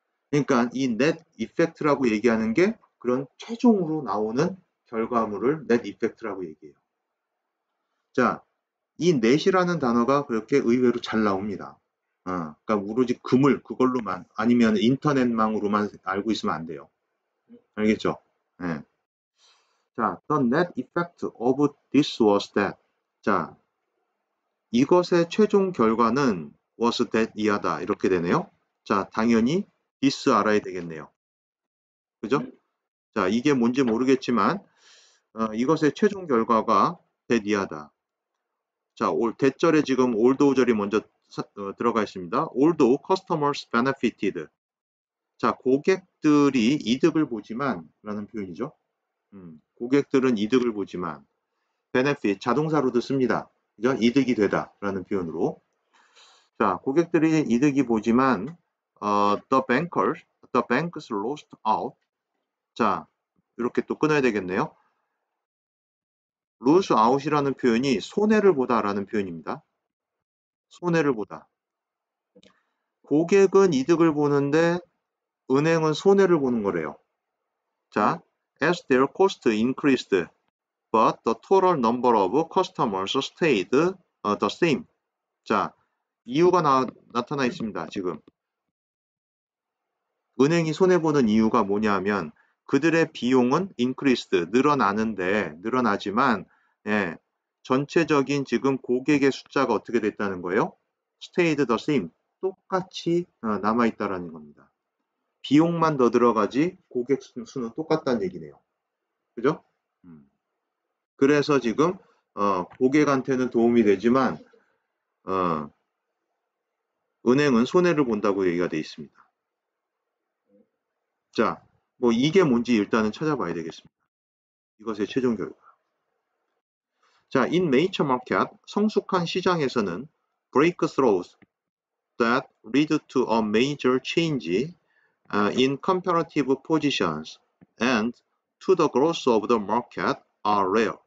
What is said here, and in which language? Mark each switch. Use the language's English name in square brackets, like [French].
[Korean] 그러니까 이 net effect라고 얘기하는 게 그런 최종으로 나오는 결과물을 net effect라고 얘기해요. 자, 이 net이라는 단어가 그렇게 의외로 잘 나옵니다. 그러니까 오로지 그물 그걸로만 아니면 인터넷망으로만 알고 있으면 안 돼요. 알겠죠? 네. [English] 자, the net effect of this was that. [Korean] 자, 이것의 최종 결과는 [English] was that [Korean] 이하다. 이렇게 되네요. 자, 당연히 this 알아야 되겠네요. 그죠? 자, 이게 뭔지 모르겠지만, 이것의 최종 결과가 that이하다. 자, 올 대절에 지금 although절이 먼저 들어가 있습니다. [English] although customers benefited. [Korean] 자, 고객들이 이득을 보지만 라는 표현이죠. 고객들은 이득을 보지만 benefit 자동사로도 씁니다. 그죠? 이득이 되다 라는 표현으로. 자, 고객들이 이득이 보지만 [English] the bankers lost out. [Korean] 자, 이렇게 또 끊어야 되겠네요. lose out이라는 표현이 손해를 보다라는 표현입니다. 손해를 보다. 고객은 이득을 보는데 은행은 손해를 보는 거래요. [English] 자, as their cost increased, but the total number of customers stayed the same. [Korean] 자, 이유가 나타나 있습니다, 지금. 은행이 손해보는 이유가 뭐냐면 그들의 비용은 increased, 늘어나는데, 늘어나지만 예, 전체적인 지금 고객의 숫자가 어떻게 됐다는 거예요? [English] Stayed the same. [Korean] 똑같이 남아있다라는 겁니다. 비용만 더 들어가지 고객 수는 똑같다는 얘기네요. 그죠? 그래서 지금 고객한테는 도움이 되지만 은행은 손해를 본다고 얘기가 돼 있습니다. 자, 뭐 이게 뭔지 일단은 찾아봐야 되겠습니다. 이것의 최종 결과. [English] 자, in major market, [Korean] 성숙한 시장에서는 [English] breakthroughs that lead to a major change in comparative positions and to the growth of the market are rare.